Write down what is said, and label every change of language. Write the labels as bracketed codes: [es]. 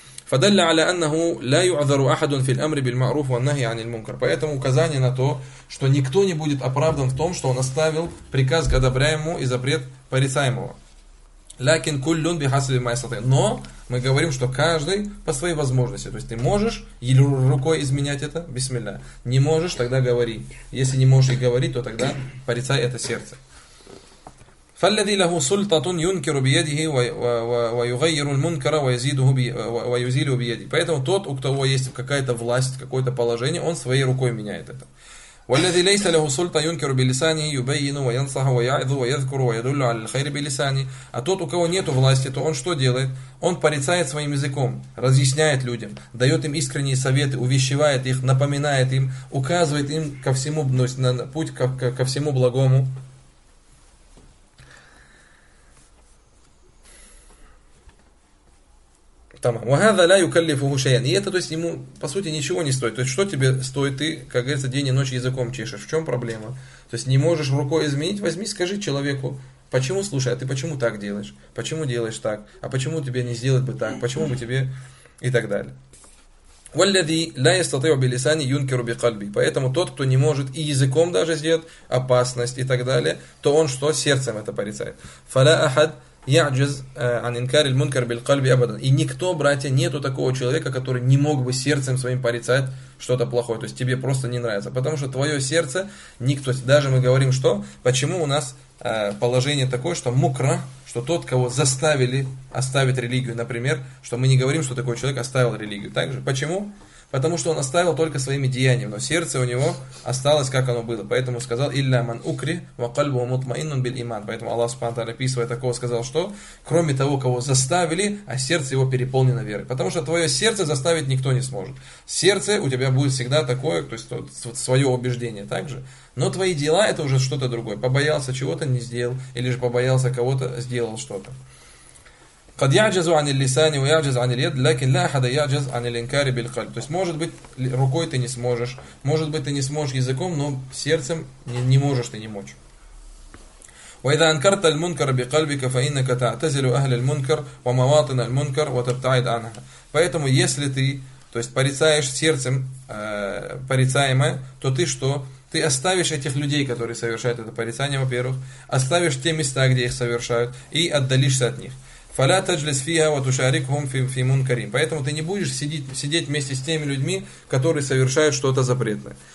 [ru] Поэтому указание на то, что никто не будет оправдан в том, что он оставил приказ к одобряемому и запрет порицаемого. [ar] Лякин куллюн бихасли майсаты. [ru] Но мы говорим, что каждый по своей возможности. То есть ты можешь или рукой изменять это, бисмилля. Не можешь, тогда говори. Если не можешь и говорить, то тогда порицай это сердце. [ar] فالذي له سلطة ينكر بيده ويغير المنكر ويزيل بيده. [ru] Поэтому тот, у кого есть какая-то власть, какое-то положение, он своей рукой меняет это. [ar] والذي ليس له سلطة ينكر بلسانه يبين وينصح ويعظ ويذكر ويدل على الخير بلسانه. [ru] А тот, у кого нету власти, то он что делает? Он порицает своим языком, разъясняет людям, дает им искренние советы, увещевает их, напоминает им, указывает им ко всему, то есть на путь ко всему благому. И это, то есть, ему, по сути, ничего не стоит. То есть, что тебе стоит, ты, как говорится, день и ночь языком чешешь? В чем проблема? То есть, не можешь рукой изменить? Возьми, скажи человеку, почему, слушай, а ты почему так делаешь? Почему делаешь так? А почему тебе не сделать бы так? Почему бы тебе... И так далее. [ar] والذي لا يستطيع بلسان ينكر بقلبي. [ru] Поэтому тот, кто не может и языком даже сделать опасность и так далее, то он что? Сердцем это порицает. [ar] فلا أحد يعجز عن إنكار المنكر بالقلب أبدا. [ru] И никто, братья, нету такого человека, который не мог бы сердцем своим порицать что-то плохое. То есть тебе просто не нравится, потому что твое сердце никто. Даже мы говорим, что почему у нас положение такое, что мукра, что тот, кого заставили оставить религию, например, что мы не говорим, что такой человек оставил религию. Также почему? Потому что он оставил только своими деяниями, но сердце у него осталось, как оно было. Поэтому сказал [ar] «Илля ман укри, ва кальбу ва мутмаиннун биль иман». [ru] Поэтому Аллах Субхану Тааля, описывая такого, сказал, что кроме того, кого заставили, а сердце его переполнено верой. Потому что твое сердце заставить никто не сможет. Сердце у тебя будет всегда такое, то есть свое убеждение также. Но твои дела – это уже что-то другое. Побоялся чего-то – не сделал. Или же побоялся кого-то – сделал что-то. [ar] قد يعجز عن اللسان ويعجز عن اليد لكن لا أحد يعجز عن الإنكار بالقلب. [ru] То есть, может быть, рукой ты не сможешь, может быть, ты не сможешь языком, но сердцем не можешь ты не мочь. [ar] وإذا أنكرت المنكر بقلبك فإنك تعتزل أهل المنكر ومواطن المنكر وتبتعد عنها. [ru] Поэтому, если ты, то есть, порицаешь сердцем порицаемое, то ты что? Ты оставишь этих людей, которые совершают это порицание, во-первых, оставишь те места, где их совершают, и отдалишься от них. [ar] فَلَا تَجْلِسْ فِيهَا وَتُشَارِكْهُمْ فِي مُنْكَرِمْ. [ru] Поэтому ты не будешь сидеть вместе с теми людьми, которые совершают что-то запретное.